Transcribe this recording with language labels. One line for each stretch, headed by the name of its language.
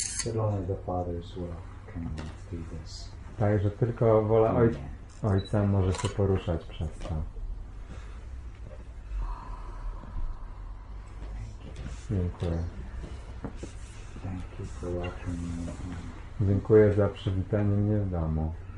English: That only the Father's will can do this.
Polish: Tak, że tylko wola Ojca może się poruszać przez to. Dziękuję.
English: Thank you for welcoming me.
Polish: Dziękuję za przywitanie mnie w domu.